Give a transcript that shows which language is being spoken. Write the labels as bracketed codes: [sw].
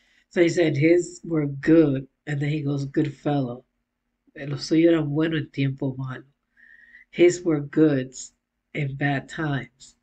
[en] So he said his were good, and then he goes, good fellow. [es] Los suyos eran buenos en tiempo malo. [en] His were good in bad times.